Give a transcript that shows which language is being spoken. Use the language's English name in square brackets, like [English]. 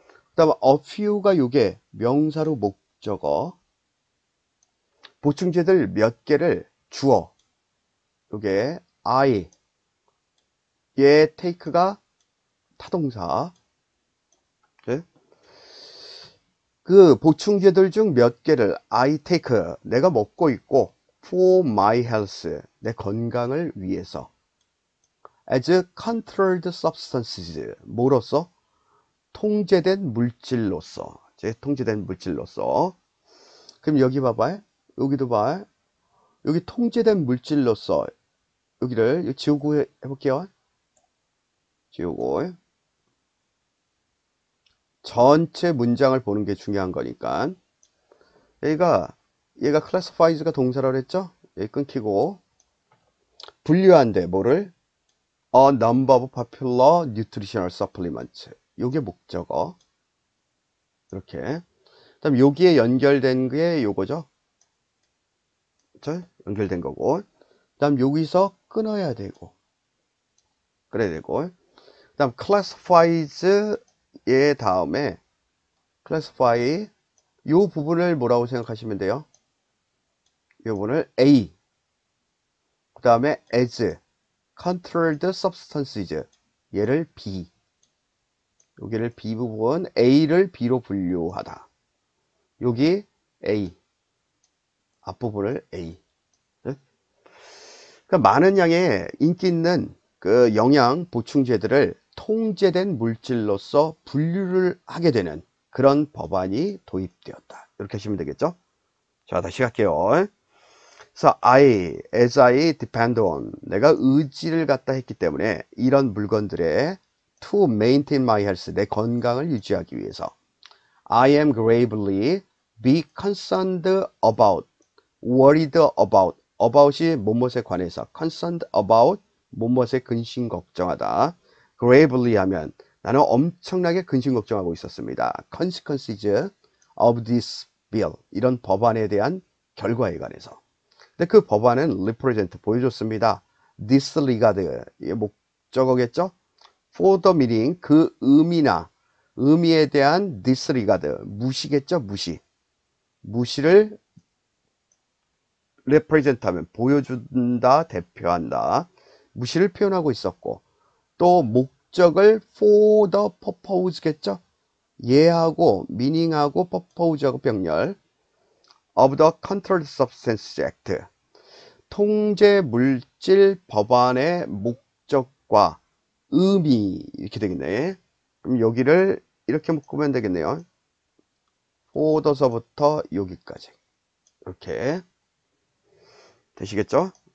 [Korean] 그다음 a few가 요게 명사로 목적어, 보충제들 몇 개를 주어, 요게 I, 얘 take가 타동사. 네? 그 보충제들 중몇 개를 I take, 내가 먹고 있고 [English] for my health, [Korean] 내 건강을 위해서. [English] As controlled substances, 뭐로서? [Korean] 통제된 물질로서. 제 통제된 물질로서. 그럼 여기 봐봐요. 여기도 봐. 여기 통제된 물질로서. 여기를 지우고 해볼게요. 지우고. 전체 문장을 보는 게 중요한 거니까. 얘가 [English] classifies [Korean] 가 동사라고 했죠? 여기 끊기고. 분류한대, 뭐를? [English] A number of popular nutritional supplements. [Korean] 요게 목적어. 이렇게. 그다음 여기에 연결된 게 요거죠. 그쵸? 연결된 거고. 그다음 여기서 끊어야 되고. 그래야 되고. 그다음 classifies 얘 다음에 classify 요 부분을 뭐라고 생각하시면 돼요? 요 부분을 A. [English] 그다음에 as. Controlled substances, 얘를 B. [Korean] 여기를 B 부분, A를 B로 분류하다. 여기 A. 앞부분을 A. 많은 양의 인기 있는 그 영양 보충제들을 통제된 물질로서 분류를 하게 되는 그런 법안이 도입되었다. 이렇게 하시면 되겠죠? 자, 다시 갈게요. [English] So I, as I depend on, 내가 의지를 갖다 했기 때문에 이런 물건들의 to maintain my health, [Korean] 내 건강을 유지하기 위해서 [English] I am gravely be concerned about, worried about. [Korean] About이 뭐뭐에 관해서, concerned about 뭐뭐에 근심 걱정하다. Gravely 하면 나는 엄청나게 근심 걱정하고 있었습니다. [English] Consequences of this bill [Korean] 이런 법안에 대한 결과에 관해서. 근데 그 법안은 represent 보여줬습니다. [English] Disregard [Korean] 이게 목적어겠죠? For the meaning 그 의미나 의미에 대한 disregard 무시겠죠? 무시. 무시를 represent 하면 보여준다, 대표한다. 무시를 표현하고 있었고, 또 목적을 [English] for the purpose [Korean] 겠죠? 예하고, meaning하고, purpose하고 병렬. [English] of the Controlled Substance Act. [Korean] 통제 물질 법안의 목적과 의미. 이렇게 되겠네. 그럼 여기를 이렇게 묶으면 되겠네요. for에서부터 여기까지. 이렇게. 되시겠죠?